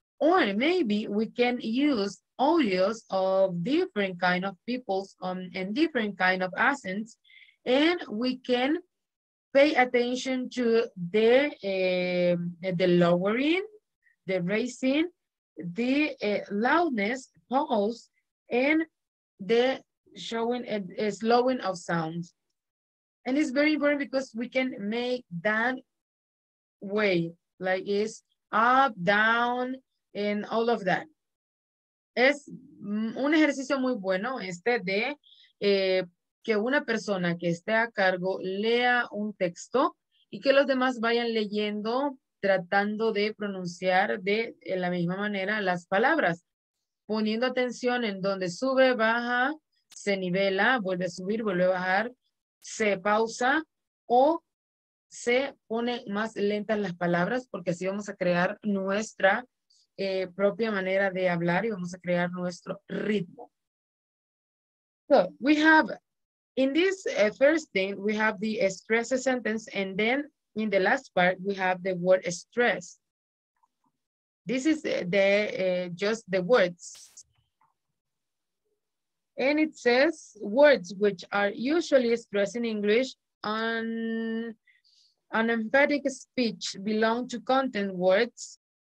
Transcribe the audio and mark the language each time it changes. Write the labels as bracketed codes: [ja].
[en] Or maybe we can use audios of different kind of peoples and different kind of accents, and we can pay attention to the lowering, the raising, the loudness, pause, and the showing and slowing of sounds. And it's very important because we can make that way, like it's up, down, and all of that. [es] Es un ejercicio muy bueno este de que una persona que esté a cargo lea un texto y que los demás vayan leyendo, tratando de pronunciar de la misma manera las palabras, poniendo atención en donde sube, baja, se nivela, vuelve a subir, vuelve a bajar, se pausa o se pone más lenta las palabras, porque así vamos a crear nuestra propia manera de hablar y vamos a crear nuestro ritmo. [en] So, we have, in this first thing, we have the stress sentence, and then in the last part, we have the word stress. This is the just the words. And it says, words which are usually stressed in English on an emphatic speech belong to content words.